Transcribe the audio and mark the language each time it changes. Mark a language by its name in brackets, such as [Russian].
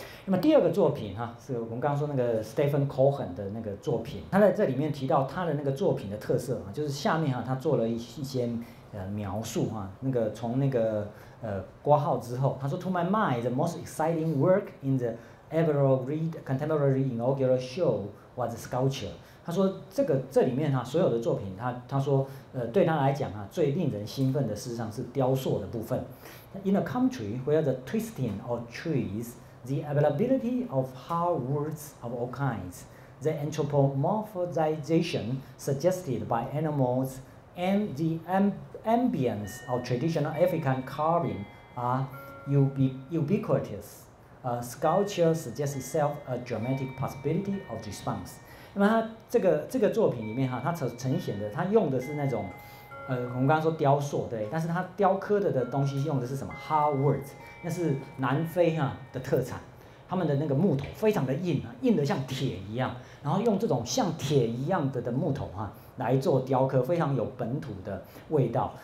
[Chinese] 那么第二个作品哈、啊，是我们刚刚说那个 Stephen Cohen 的那个作品，他在这里面提到他的那个作品的特色啊，就是下面哈、啊、他做了一些描述哈、啊，那个从那个挂号之后，他说 [English] To my mind, the most exciting work in the Evora Reed Contemporary Inaugural Show was sculpture。 [Chinese] 他说这个这里面哈、啊、所有的作品，他说对他来讲啊，最令人兴奋的事实上是雕塑的部分。 [English] In a country where the twisting of trees。 The availability of hard words of all kinds, the anthropomorphization suggested by animals the ambience of traditional African carving are ubiquitous. Sculpture suggests itself a dramatic possibility of response. [Chinese] 那么他这个作品里面哈，他呈现的，他用的是那种，我们刚刚说雕塑，对，但是他雕刻的东西用的是什么 ？Hard words， 那是南非哈的特产，他们的那个木头非常的硬啊，硬得像铁一样，然后用这种像铁一样的木头哈来做雕刻，非常有本土的味道。